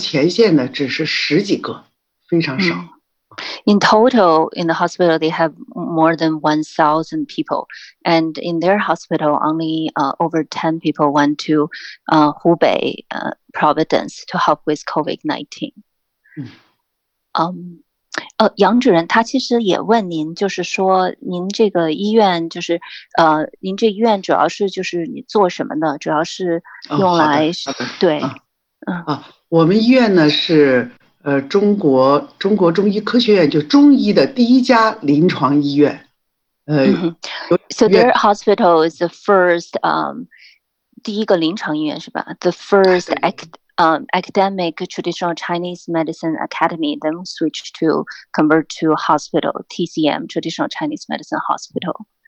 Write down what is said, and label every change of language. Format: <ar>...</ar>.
<zh>嗯，那个我再补充一下，就我们医院的职工有1000多人，所以上前线的只是十几个，非常少。嗯,</zh> <en>in total, in the hospital, they have more than 1,000 people, and in their hospital, only over 10 people went to Hubei Providence to help with COVID-19.</en> <zh>杨主任他其实也问您，就是说您这个医院，就是您这医院主要是就是你做什么的，主要是用来对，我们医院呢是中国中医科学院，就中医的第一家临床医院。So</zh> <en>their hospital is the first</en> <zh>第一个临床医院是吧？</zh> <en>The first academic traditional Chinese medicine academy, then switched to convert to hospital, TCM, traditional Chinese medicine hospital.</en>